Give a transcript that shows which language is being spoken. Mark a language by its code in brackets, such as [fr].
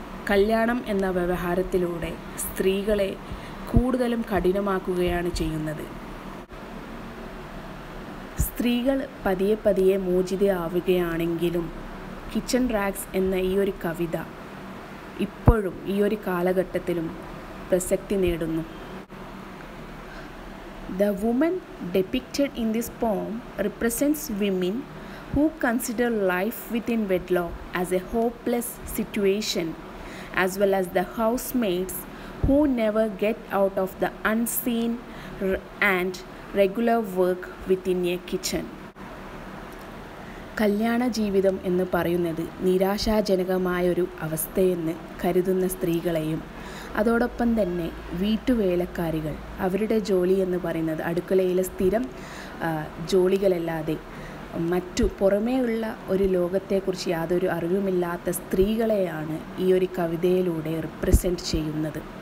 [ml] കല്യാണം എന്ന വ്യവഹാരത്തിലൂടെ സ്ത്രീകളെ കൂടുതലും കഠിനമാക്കുകയാണ് ചെയ്യുന്നത്. സ്ത്രീകൾ പതിയെ പതിയെ മോചിതയാവുകയാണെങ്കിലും കിച്ചൺ റാഗ്സ് എന്ന ഈ ഒരു കവിത ഇപ്പോഴും ഈ ഒരു കാലഘട്ടത്തിലും പ്രസക്തി നേടുന്നു. [en] The woman depicted in this poem represents women who consider life within wedlock as a hopeless situation, as well as the housemates who never get out of the unseen and regular work within a kitchen. [ml] കല്യാണ ജീവിതം എന്ന് പറയുന്നത് നിരാശാജനകമായൊരു അവസ്ഥയെന്ന് കരുതുന്ന സ്ത്രീകളെയും അതോടൊപ്പം തന്നെ വീട്ടുവേലക്കാരികൾ അവരുടെ ജോലി എന്ന് പറയുന്നത് അടുക്കളയിലെ സ്ഥിരം ജോലികളല്ലാതെ മറ്റു പുറമേയുള്ള ഒരു ലോകത്തെക്കുറിച്ച് യാതൊരു അറിവുമില്ലാത്ത സ്ത്രീകളെയാണ് ഈ ഒരു കവിതയിലൂടെ റിപ്രസെൻറ്റ് ചെയ്യുന്നത്.